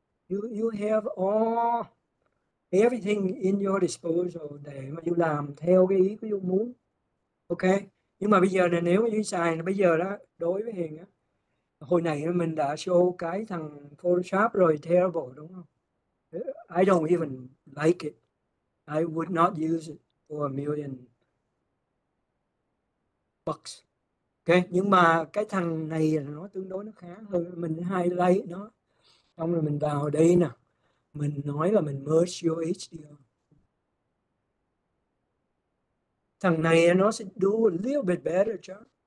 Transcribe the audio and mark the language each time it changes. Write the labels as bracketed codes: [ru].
[en] You have all everything in your disposal [vi] để mà Du làm theo cái ý của Du muốn. Ok. Nhưng mà bây giờ này, nếu mà Du xài bây giờ đó, đối với Hiền á, hồi nãy mình đã show cái thằng Photoshop rồi, terrible đúng không? [en] I don't even like it. I would not use it for a million bucks. [vi] Ok, nhưng mà cái thằng này nó tương đối nó khá hơn, mình highlight nó. Xong rồi mình vào đây nè. Mình nói là mình merge vô HDR. Thằng này nó sẽ [en] do a little bit better job.